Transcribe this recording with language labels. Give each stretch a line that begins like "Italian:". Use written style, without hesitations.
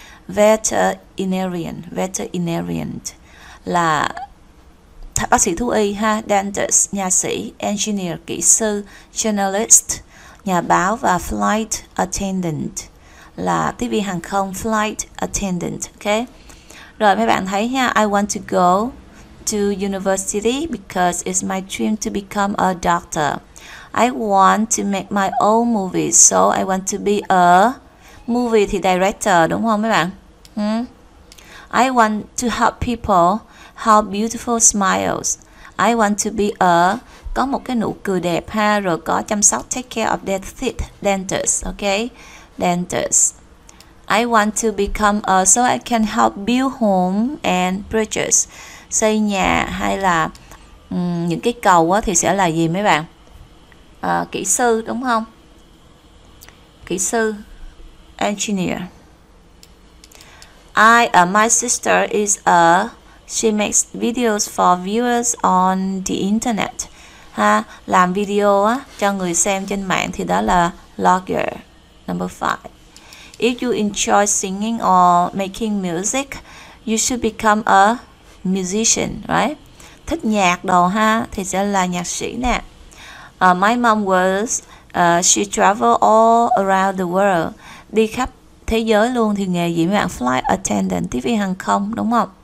Vietnamese: Veterinarian, veterinarian là bác sĩ thú y ha, dentist, nhà sĩ, engineer, kỹ sư, journalist, nhà báo và flight attendant là tiếp viên hàng không, flight attendant, okay? Rồi mấy bạn thấy nha,
English: I want to go to university because it's my dream to become a doctor. I want to make my own movies, so I want to be a movie thì director
Vietnamese: đúng không mấy bạn?
English: I want to help people, have beautiful smiles. I want to be a
Vietnamese: có một cái nụ cười đẹp ha, rồi có chăm sóc
English: take care of their teeth, dentist, okay? Dentist. I want to become a so I can help build home and bridges.
Vietnamese: Xây nhà hay là những cái cầu á thì sẽ là gì mấy bạn? Kỹ sư đúng không? Kỹ sư, engineer.
English: My sister is a she makes videos for viewers on the internet.
Vietnamese: Ha, làm video á cho người xem trên mạng thì đó là logger.
English: Number 5. If you enjoy singing or making music, you should become a musician, right?
Vietnamese: Thích nhạc đồ ha, thì sẽ là nhạc sĩ nè.
English: My mom was, she traveled all around the world.
Vietnamese: Đi khắp thế giới luôn thì nghề gì mấy bạn? Flight attendant, tiếp viên hàng không, đúng không?